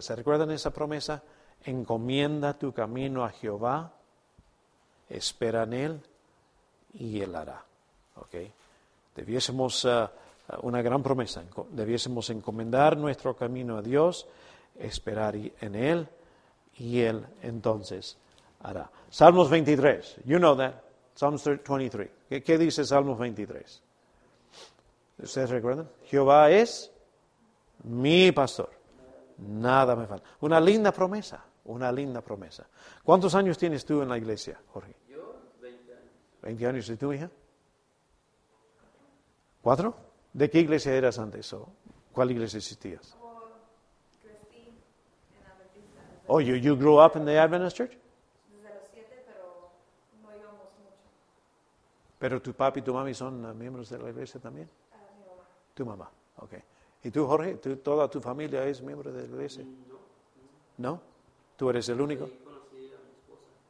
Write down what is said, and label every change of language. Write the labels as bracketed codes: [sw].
[es] ¿Se recuerdan esa promesa? Encomienda tu camino a Jehová, espera en él y él hará. ¿Okay? Debiésemos, una gran promesa, debiésemos encomendar nuestro camino a Dios, esperar en él y él entonces hará. [en] Salmos 23, you know that, Psalms 23. [es] ¿Qué dice Salmos 23? ¿Ustedes recuerdan? Jehová es mi pastor. Nada me falta. Una linda promesa. Una linda promesa. ¿Cuántos años tienes tú en la iglesia, Jorge? Yo, 20 años. ¿20 años? ¿Y tú, hija? ¿Cuatro? ¿De qué iglesia eras antes? ¿O cuál iglesia existías? [en] Oh, you grew up in the Adventist Church? [es] Desde los 7, pero no íbamos mucho. ¿Pero tu papi y tu mami son miembros de la iglesia también? Tu mamá, ok. ¿Y tú, Jorge? ¿Tú, toda tu familia es miembro de la iglesia? No. ¿No? ¿Tú eres el único? Sí, conocí a mi esposa.